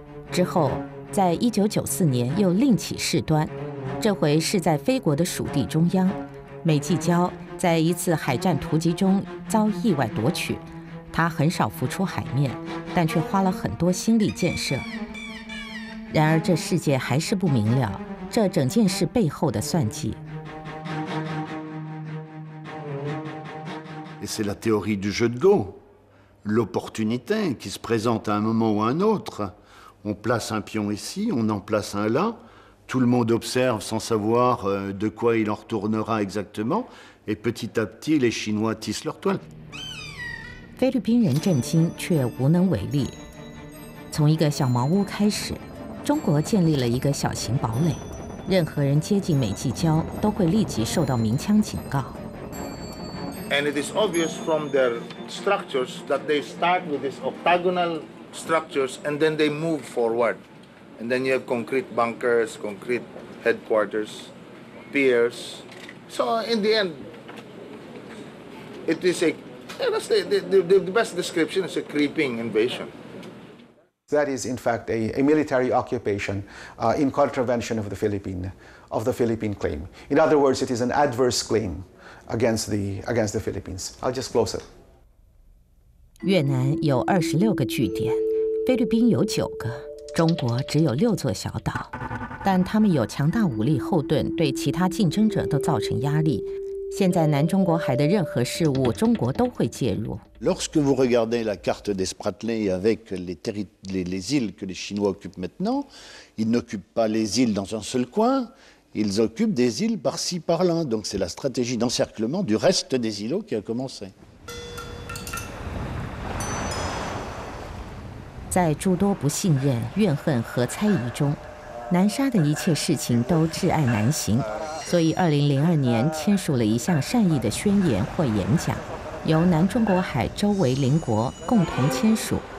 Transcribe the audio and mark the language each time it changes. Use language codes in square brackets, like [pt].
[zh] 之后，在1994年又另起事端，这回是在菲国的属地中央，美济礁在一次海战突击中遭意外夺取。他很少浮出海面，但却花了很多心力建设。然而，这世界还是不明了这整件事背后的算计。 [fr] Et c'est la théorie du jeu de go, l'opportunité qui se présente à un moment ou un autre. On place un pion ici, on en place un là, tout le monde observe sans savoir de quoi il en retournera exactement, et petit à petit, les Chinois tissent leur toile. [zh] 菲律宾人震惊却无能为力。从一个小茅屋开始，中国建立了一个小型堡垒，任何人接近美济礁都会立即受到鸣枪警告。 [en] And it is obvious from their structures that they start with this octagonalstructures and then they move forward and then you have concrete bunkers, concrete headquarters, piers. So in the end, it is a, let's say, the best description is a creeping invasion. That is in fact a military occupation in contravention of the Philippine claim. In other words, it is an adverse claim against the Philippines. I'll just close it. [zh] 越南有26个据点，菲律宾有九个，中国只有六座小岛，但他们有强大武力后盾，对其他竞争者都造成压力。现在南中国海的任何事物，中国都会介入。 [fr] Lorsque vous regardez la carte des Spratleys avec les îles que les Chinois occupent maintenant, ils n'occupent pas les îles dans un seul coin, ils occupent des îles par-ci par-là. Donc c'est la stratégie d'encerclement du reste des îlots qui a commencé. [zh] 在诸多不信任、怨恨和猜疑中，南沙的一切事情都挚爱难行，所以2002年签署了一项善意的宣言或演讲，由南中国海周围邻国共同签署。